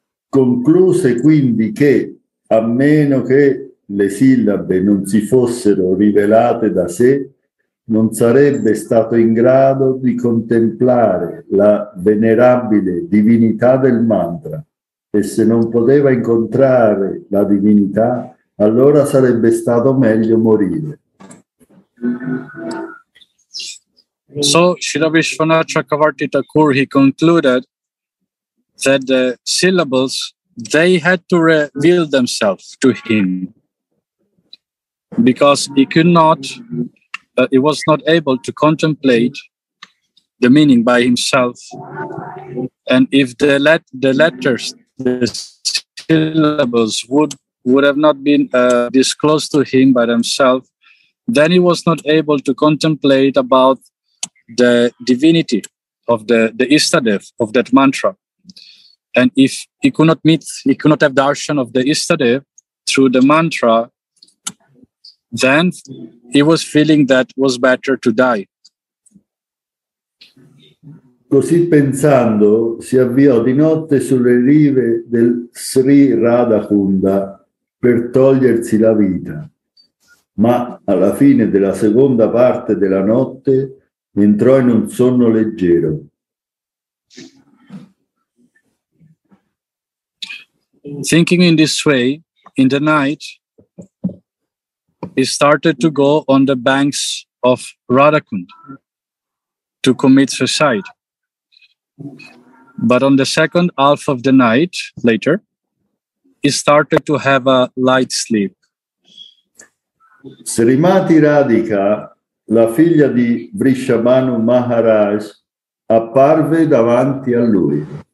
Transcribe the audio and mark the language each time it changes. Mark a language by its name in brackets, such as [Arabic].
[Italian] Concluse quindi che, a meno che le sillabe non si fossero rivelate da sé, non sarebbe stato in grado di contemplare la venerabile divinità del mantra, e se non poteva incontrare la divinità, allora sarebbe stato meglio morire. [English] So Srila Visvanatha Chakravarti Thakur, he concluded that the syllables, they had to reveal themselves to him because he could not, he was not able to contemplate the meaning by himself. And if the letters, the syllables would have not been disclosed to him by themselves, then he was not able to contemplate about the divinity of the Ishtadev of that mantra. And if he could not meet, he could not have darshan of the Ishtadev through the mantra, then he was feeling that was better to die. [Italian] Così pensando, si avviò di notte sulle rive del Sri Radhakunda per togliersi la vita. Ma alla fine della seconda parte della notte entrò in un sonno leggero. [English] Thinking in this way, in the night, he started to go on the banks of Radhakund to commit suicide. But on the second half of the night, later, he started to have a light sleep. [Italian] Srimati Radhika, la figlia di Vrishabhanu Maharaj, apparve davanti a lui.